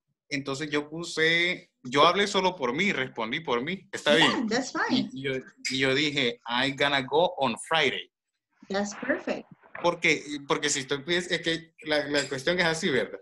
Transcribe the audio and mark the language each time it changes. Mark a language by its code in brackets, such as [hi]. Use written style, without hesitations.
[es] Entonces yo puse, yo hablé solo por mí, respondí por mí. Está bien. [en] That's fine. [es] Y yo dije, [en] I'm gonna go on Friday. That's perfect. [es] Porque si estoy pidiendo, es que la cuestión es así, ¿verdad?